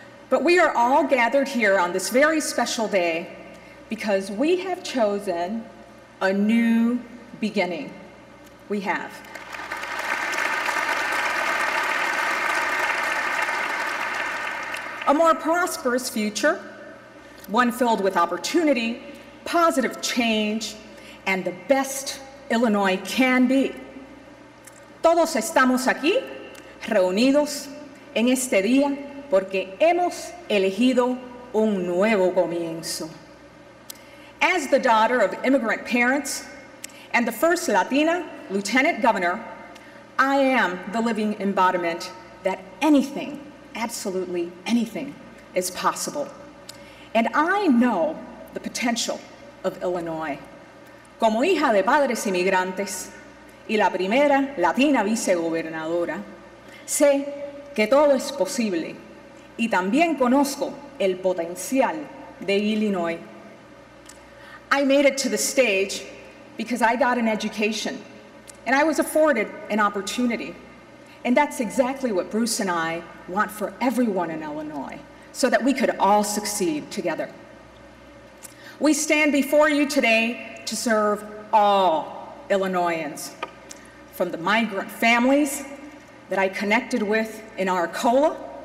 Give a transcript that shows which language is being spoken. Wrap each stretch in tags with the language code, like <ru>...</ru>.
<en>But we are all gathered here on this very special day because we have chosen a new beginning. We have. A more prosperous future, one filled with opportunity, positive change, and the best Illinois can be.</en> <es>Todos estamos aquí reunidos en este día porque hemos elegido un nuevo comienzo.</es> <en>As the daughter of immigrant parents and the first Latina Lieutenant Governor, I am the living embodiment that anything, absolutely anything, is possible. And I know the potential of Illinois.</en> <es>Como hija de padres inmigrantes y la primera latina vicegobernadora, sé que todo es posible y también conozco el potencial de Illinois.</es> <en>I made it to the stage because I got an education and I was afforded an opportunity. And that's exactly what Bruce and I want for everyone in Illinois, so that we could all succeed together. We stand before you today to serve all Illinoisans, from the migrant families that I connected with in Arcola</en>